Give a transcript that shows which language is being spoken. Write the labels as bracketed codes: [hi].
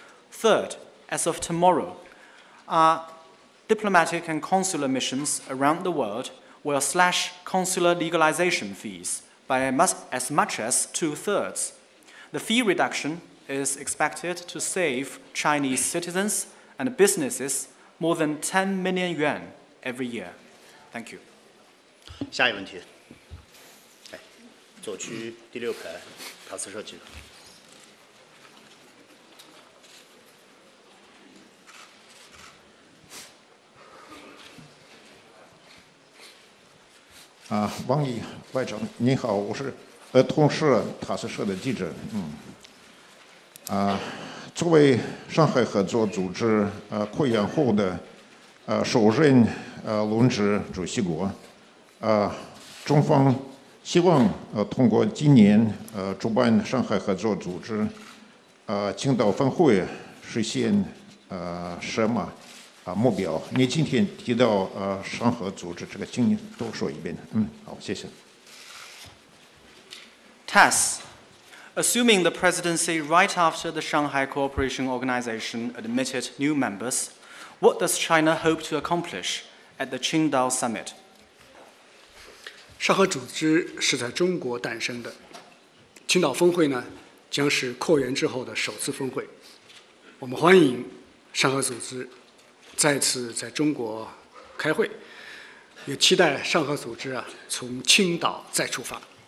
[en] Third, as of tomorrow, our diplomatic and consular missions around the world will slash consular legalization fees by as much as 2/3. The fee reduction is expected to save Chinese citizens and businesses more than 10 million yuan every year. Thank you. [zh] 下一个问题，左区第六排，塔斯社记者。啊，王毅外长您好，我是同时塔斯社的记者。作为上海合作组织扩员后的首任轮值主席国，中方希望通过今年主办上海合作组织青岛分会实现什么目标？你今天提到上合组织这个经验，多说一遍。好，谢谢。 [en] TAS, assuming the presidency right after the Shanghai Cooperation Organization admitted new members, what does China hope to accomplish at the Qingdao Summit? [zh] 上合组织是在中国诞生的，青岛峰会呢，将是扩员之后的首次峰会。我们欢迎上合组织再次在中国开会，也期待上合组织啊从青岛再出发。